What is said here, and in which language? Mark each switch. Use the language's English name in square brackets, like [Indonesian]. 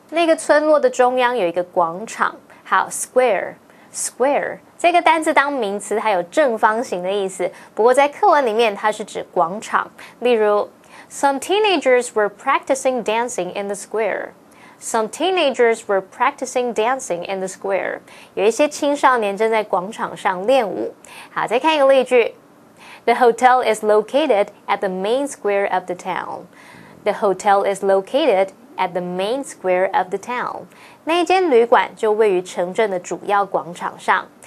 [Chinese] 那个村落的中央有一个广场，好 ，square， square 这个单字当名词，它有正方形的意思。不过在课文里面，它是指广场。例如 ， [English] Some teenagers were practicing dancing in the square. Some teenagers were practicing dancing in the square. [Chinese] 有一些青少年正在广场上练舞。好，再看一个例句。 [English] The hotel is located at the main square of the town. The hotel is located at the main square of the town. [Chinese] 那一间旅馆就位于城镇的主要广场上。